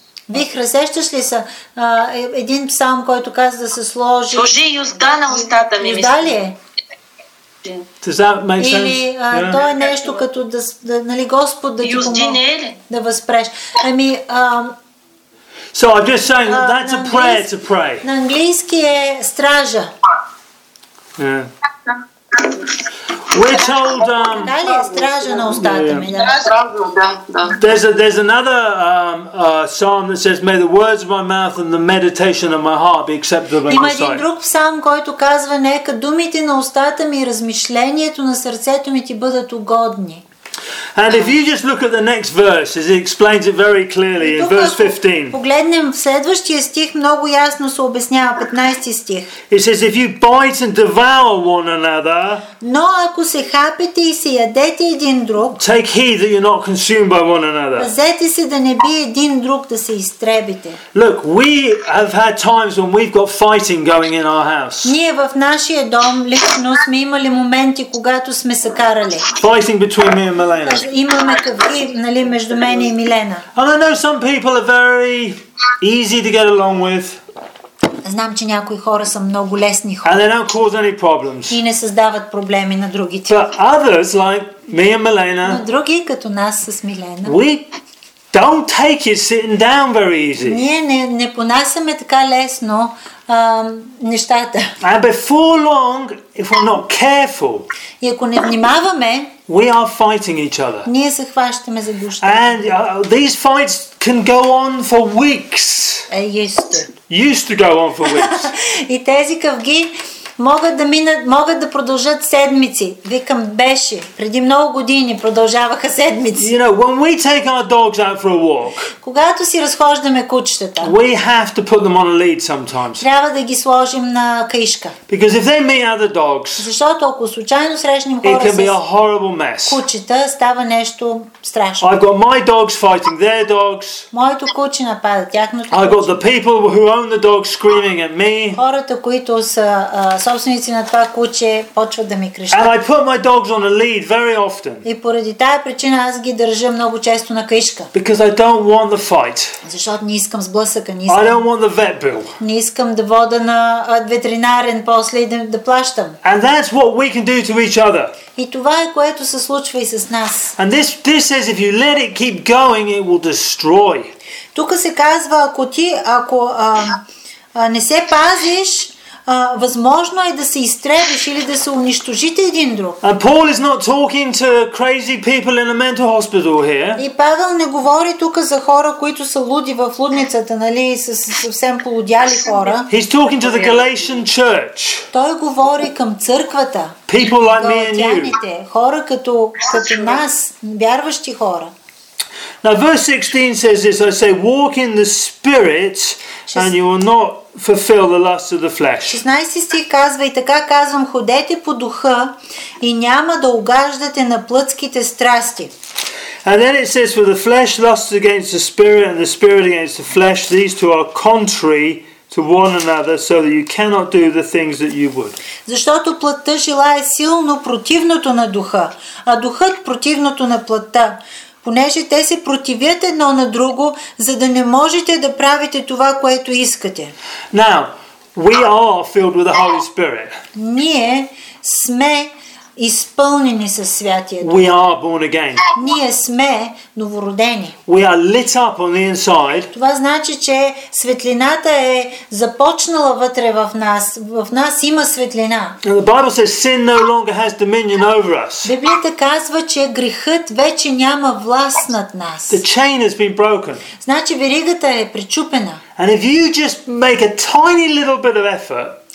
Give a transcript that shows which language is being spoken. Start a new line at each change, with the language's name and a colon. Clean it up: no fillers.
Bulgarian: Вих, разсещаш ли са един псалм, който каза да се сложи... Сложи юзда на устата ми. Юзда ли е?
English: Does that make sense?
Bulgarian: Или то е нещо като да, нали, Господ да ти помогне да възпреш. Ами,
English: So I'm just saying that that's a prayer to pray.
Bulgarian: На английски е стража.
English: Yeah. We're told.
Bulgarian: Стража на устата ми.
English: There's another psalm that says, "May the words of my mouth and the meditation of my heart be acceptable in your sight."
Bulgarian: Има един друг псалм, който казва: "Нека думите на устата ми и размишлението на сърцето ми ти бъдат угодни."
English: And if you just look at the next verse, it explains it very clearly in verse 15.
Bulgarian: Погледнем в следващия стих, много ясно се обяснява 15-ти стих.
English: It says if you bite and devour one another,
Bulgarian: но ако се хапете и се ядете един друг,
English: take heed that you're not consumed by one another.
Bulgarian: Пазете се да не би един друг да се изтребите.
English: Look, we have had times when we've got fighting going in our house.
Bulgarian: Ние в нашия дом лично сме имали моменти, когато сме се карали.
English: Fighting between me and Milena.
Bulgarian: Имаме какви, нали, между мен и Милена.
English: And I know some people are very easy to get along with.
Bulgarian: Знам, че някои хора са много лесни хора.
English: And they don't cause any problems.
Bulgarian: И не създават проблеми на другите.
English: But others, like me and Milena,
Bulgarian: но други, като нас с Милена,
English: we don't take it sitting down very easy.
Bulgarian: Ние не понасяме така лесно нещата.
English: And before long, if we're not careful,
Bulgarian: и ако не внимаваме,
English: we are fighting each other.
Bulgarian: Ние се хващаме за душата.
English: And these fights can go on for weeks. Used to go on for weeks.
Bulgarian: И тези къвги могат да продължат седмици. Викам, беше. Преди много години продължаваха седмици.
English: You know, when we take our dogs out for a walk,
Bulgarian: когато си разхождаме кучетата,
English: we have to put them on a lead sometimes.
Bulgarian: Трябва да ги сложим на каишка.
English: Because if they meet other dogs,
Bulgarian: защото ако случайно срещнем хора,
English: it can be a horrible mess.
Bulgarian: Кучета става нещо страшно.
English: I've got my dogs fighting their dogs.
Bulgarian: Моето куче напада тяхното куче.
English: I've got the people who own the dogs screaming at me.
Bulgarian: Хората, които са собственици на това куче, почват да ми крещат.
English: And I put my dogs on a lead very often.
Bulgarian: И поради тая причина аз ги държа много често на каишка.
English: Because I don't want the fight.
Bulgarian: Защото не искам сблъсъка, не искам.
English: I don't want the vet bill.
Bulgarian: Не искам да вода на ветеринарен после и да плащам.
English: And that's what we can do to each other.
Bulgarian: И това е, което се случва и с нас.
English: And this says if you let it keep going, it will destroy.
Bulgarian: Тук се казва, ако ти, ако не се пазиш, възможно е да се изтребиш или да се унищожите един друг.
English: And Paul is not talking to crazy people in a mental hospital here.
Bulgarian: И Павел не говори тук за хора, които са луди в лудницата, нали, и са съвсем полудяли хора.
English: He's talking to the Galatian church.
Bulgarian: Той говори към църквата.
English: People like me and you.
Bulgarian: Хора като нас, вярващи хора.
English: Now verse 16 says this, I say walk in the spirit and you will not fulfill the lust of the flesh.
Bulgarian: 16 стих казва и така казвам, ходете по духа и няма да угаждате на плътските страсти.
English: And then it says for the flesh lusts against the spirit and the spirit against the flesh, these two are contrary to one another so that you cannot do the things that you would.
Bulgarian: Защото плътта желае силно противното на духа, а духът противното на плътта. Понеже те се противят едно на друго, за да не можете да правите това, което искате.
English: Now, we are filled with the Holy Spirit.
Bulgarian: Ние сме изпълнени със Святия Дух.
English: We are born again.
Bulgarian: Ние сме новородени.
English: We are lit up on the inside.
Bulgarian: Това значи, че светлината е започнала вътре в нас. В нас има светлина.
English: The Bible says sin no longer has dominion over us.
Bulgarian: Библията казва, че грехът вече няма власт над нас.
English: The chain has been broken.
Bulgarian: Значи веригата е причупена.
English: And if you just make a tiny little bit of effort,